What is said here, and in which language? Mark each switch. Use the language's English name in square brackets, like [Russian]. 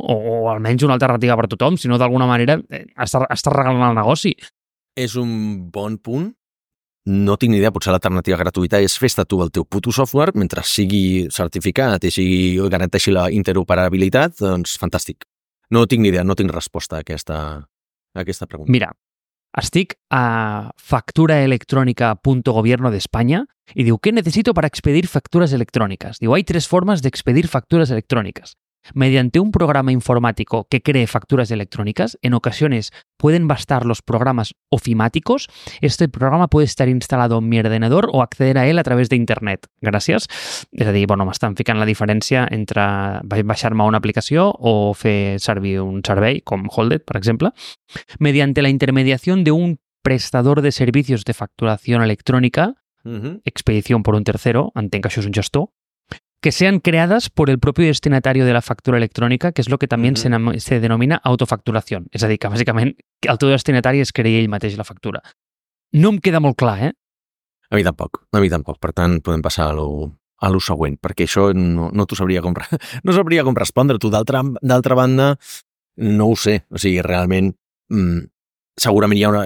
[Catalan] O almenys una alternativa per tothom, si no, d'alguna manera, estàs regalant el negoci. És un bon punt. No tinc ni idea, potser l'alternativa gratuïta és fes-te tu el teu puto software mentre sigui certificat i sigui garanteixi la interoperabilitat, doncs fantàstic. No tinc ni idea, no tinc resposta a aquesta pregunta. Mira, estic a [Spanish] facturaelectronica.gobierno de España [Catalan] i diu, [Spanish] ¿qué necesito para expedir facturas electrónicas? [Catalan] Diu, [Spanish] hay tres formas de expedir facturas electrónicas. Mediante un programa informático que cree facturas electrónicas, en ocasiones pueden bastar los programas ofimáticos. Este programa puede estar instalado en mi ordenador o acceder a él a través de Internet. Gracias. [Catalan] És a dir, bueno, m'estan ficant la diferència entre baixar-me una aplicació o fer servir un servei, com Holdet, per exemple. [Spanish] Mediante la intermediación de un prestador de servicios de facturación electrónica, expedición por un tercero, [Catalan] entenc que això és un gestor, [Spanish] que sean creadas por el propio destinatario de la factura electrónica, que es lo que también se denomina autofacturación. [Catalan] Es a dir, que bàsicament el teu destinatari es creï ell mateix la factura. No em queda molt clar, eh? A mi tampoc. Per tant, podem passar a lo següent, perquè això no t'ho sabria com... No sabria com respondre. Tu, d'altra banda, no ho sé. O sigui, realment, segurament hi ha una...